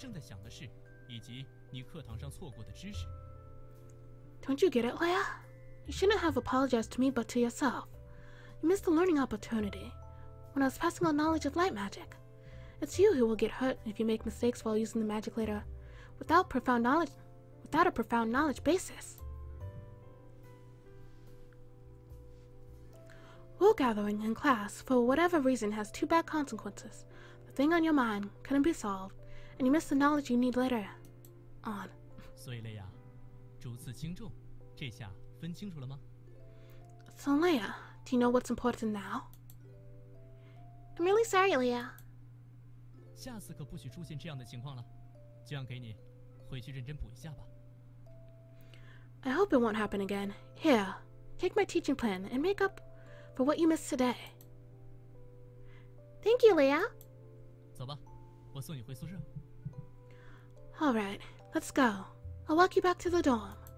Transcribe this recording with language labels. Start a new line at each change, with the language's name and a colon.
Chinese: 而是对不起你自己。我在传授光明魔法知识的时候，你错过了。以后当你运用魔法时，没有这方面的知识积累，出错了受伤的也将是你自己。你在课堂上神游，无论什么原因，你都耽误了两方面的事：你正在想的事，以及你课堂上错过的知识。
English: Don't you get it, Leia? You shouldn't have apologized to me but to yourself. You missed the learning opportunity when I was passing on knowledge of light magic. It's you who will get hurt if you make mistakes while using the magic later, without a profound knowledge basis. Rule gathering in class, for whatever reason, has two bad consequences. The thing on your mind couldn't be solved, and you miss the knowledge you need later on.
Chinese: 所以雷亚，主次轻重，这下分清楚了吗？
English: So Leia, do you know what's important now? I'm really sorry, Leia.
Chinese: 下次可不许出现这样的情况了，奖给你，回去认真补一下吧。
English: I hope it won't happen again. Here, take my teaching plan and make up for what you missed today. Thank you, Leia.
Chinese: 走吧，我送你回宿舍。
English: All right, let's go. I'll walk you back to the dorm.